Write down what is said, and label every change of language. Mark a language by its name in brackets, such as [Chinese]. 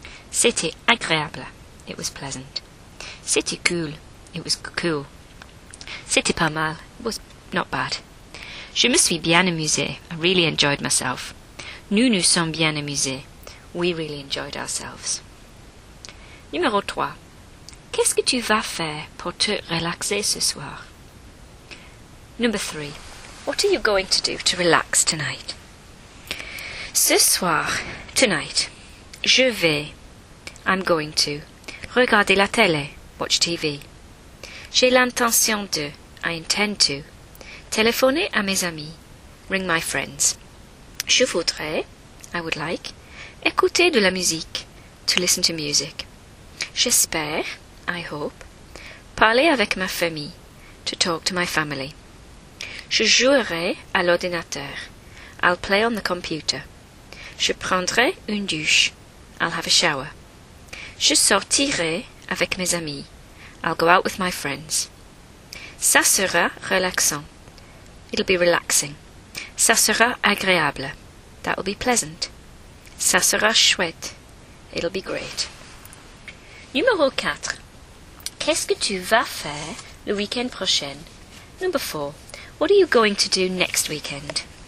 [French] C'était agréable. [English] It was pleasant. [French] C'était cool. [English] It was cool. [French] C'était pas mal. [English] It was not bad. [French] Je me suis bien amusé. [English] I really enjoyed myself. [French] Nous nous sommes bien amusés. [English] We really enjoyed ourselves. [French] Numéro 3. Qu'est-ce que tu vas faire pour te relaxer ce soir? [English] Number 3. What are you going to do to relax tonight? [French] Ce soir, [English] tonight, [French] je vais, [English] I'm going to, [French] regarder la télé, [English] watch TV. [French] J'ai l'intention de, [English] I intend to, [French] téléphoner à mes amis, [English] ring my friends. [French] Je voudrais, [English] I would like, [French] écouter de la musique, [English] to listen to music. [French] J'espère, [English] I hope, [French] parler avec ma famille, [English] to talk to my family. [French] Je jouerai à l'ordinateur, [English] I'll play on the computer. [French] Je prendrai une douche, [English] I'll have a shower. [French] Je sortirai avec mes amis, [English] I'll go out with my friends. [French] Ça sera relaxant, [English] it'll be relaxing. [French] Ça sera agréable, [English] that'll be pleasant. [French] Ça sera chouette, [English] it'll be great. [French] Numéro 4. Qu'est-ce que tu vas faire le week-end prochain? [English] Number 4. What are you going to do next weekend?